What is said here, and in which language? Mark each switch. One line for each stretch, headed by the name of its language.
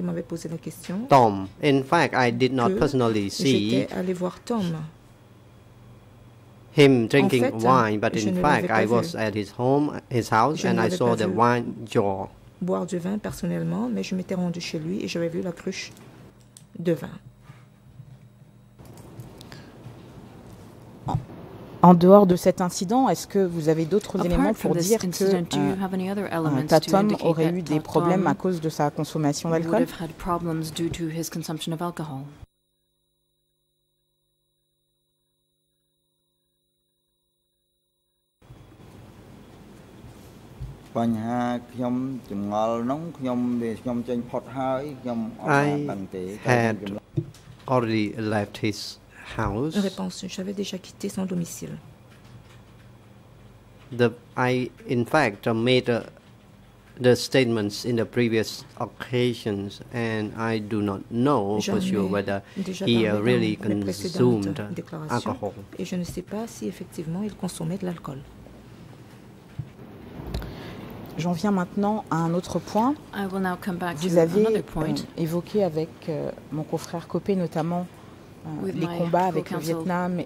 English: I was asked where Tom was, and I told the guy who asked me that I went to visit Tom. In fact, I did not personally see him drinking wine, but in fact, I was at his home, his house, and I saw the wine jar.
French: Boire du vin personnellement, mais je m'étais rendu chez lui et j'avais vu la cruche de vin. En dehors de cet incident, est-ce que vous avez d'autres éléments pour dire que Tatum aurait eu des problèmes à cause de sa consommation d'alcool? J'avais déjà quitté son domicile.
English: I in fact made a the statements in the previous occasions, and I do not know for sure whether he really consumed alcohol.
French: Et je ne sais pas si effectivement il consommait de l'alcool. J'en viens maintenant à un autre point.
English: I will now come back
French: Vous
English: to
French: avez
English: another point.
French: Évoqué avec mon confrère Copé notamment les combats avec le Vietnam